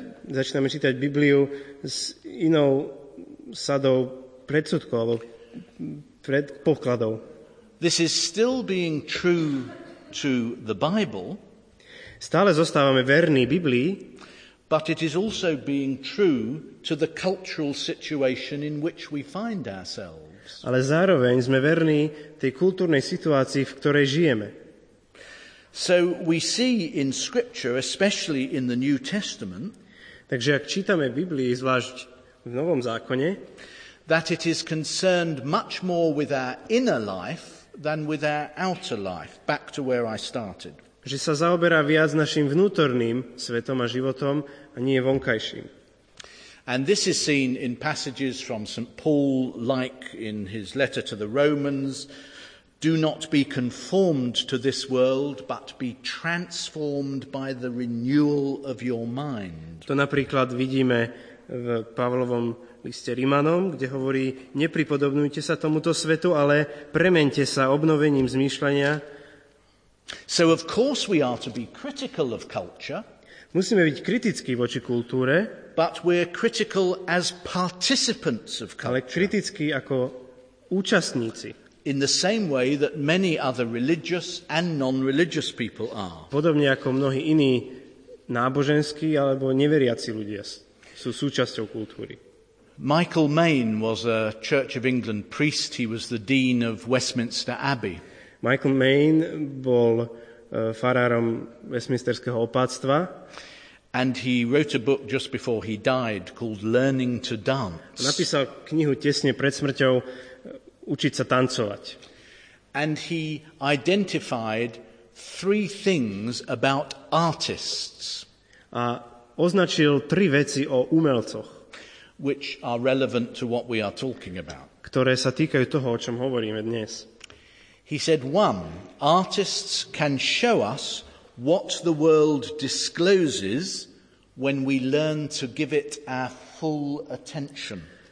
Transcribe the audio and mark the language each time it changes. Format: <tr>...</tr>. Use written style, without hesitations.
<sk>Začíname čítať Bibliu s inou sadou predsudkov alebo predpokladov.</sk> <en>This is still being true to the Bible.</en> <sk>Stále zostávame verní Biblii,</sk> <en>but it is also being true to the cultural situation in which we find ourselves.</en> <sk>Ale zároveň sme verní tej kultúrnej situácii, v ktorej žijeme.</sk> <en>So we see in scripture, especially in the New Testament,</en> <sk>takže ak čítame Biblii, zvlášť v Novom zákone,</sk> <en>that it is concerned much more with our inner life than with our outer life, back to where I started.</en> <sk>Že sa zaoberá viac našim vnútorným svetom a životom, a nie vonkajším.</sk> <en>And this is seen in passages from St. Paul, like in his letter to the Romans, do not be conformed to this world, but be transformed by the renewal of your mind.</en> <sk>To napríklad vidíme v Pavlovom liste Rimanom, kde hovorí, nepripodobňujte sa tomuto svetu, ale premente sa obnovením zmýšľania.</sk> <en>So of course we are to be critical of culture.</en> <sk>Musíme byť kritickí voči kultúre,</sk> <en>but we're critical as participants of culture.</en> <sk>Ale kriticky ako účastníci.</sk> <en>In the same way that many other religious and non-religious people are.</en> <sk>Podobne ako mnohí iní náboženskí alebo neveriaci ľudia sú súčasťou kultúry.</sk> <en>Michael Main was a Church of England priest. He was the dean of Westminster Abbey.</en> <sk>Michael Main bol farárom Westminsterského opáctva.</sk> <en>And he wrote a book just before he died called Learning to Dance.</en> <sk>Napísal knihu tesne pred smrťou Učiť sa tancovať.</sk> <en>And he identified three things about artists.</en> <sk>A označil tri veci o umelcoch,</sk> <en>which are relevant to what we are talking about.</en> <sk>Ktoré sa týkajú toho, o čom hovoríme dnes.</sk> <en>He said, one, artists can show us what the world discloses when we learn to give it our full attention.</en>